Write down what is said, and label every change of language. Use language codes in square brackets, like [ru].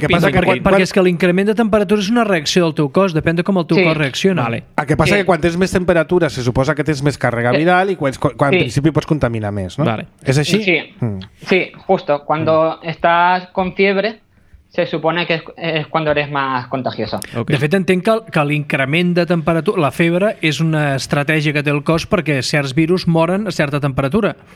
[ca] Sí, perquè és que l'increment de temperatura és una reacció del teu cos, depèn de com el teu cos reacciona. Vale. El que passa que quan tens més temperatura se suposa que tens més càrrega viral i quan en principi pots contaminar més. No? Vale. És així? Sí, sí, justo. [es] Cuando estás con fiebre se supone que es cuando eres más contagioso. [en] Okay. [ca] De fet, entenc que l'increment de temperatura, la febre, és una estratègia que té el cos perquè certs virus moren a certa temperatura.